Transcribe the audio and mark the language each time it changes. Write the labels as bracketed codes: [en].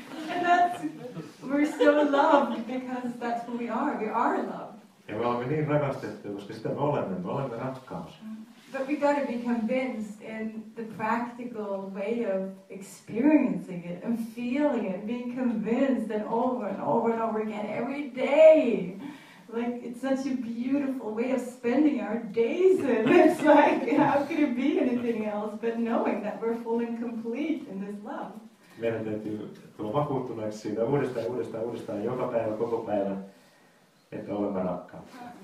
[en] And that's, we're so loved because that's who we are. We are loved. [fi] Ja me olemme niin rakastettu, koska sitä me olemme rakkaus. [en] But we got to be convinced in the practical way of experiencing it and feeling it, being convinced and over and over and over again every day. Like, it's such a beautiful way of spending our days in. It's like, how could it be anything else but knowing that we're full and complete in this love? [fi] Meidän täytyy tulla vakuuttuneeksi siitä uudestaan, uudestaan, uudestaan, joka päivä, koko päivä, että olemme rakkautta.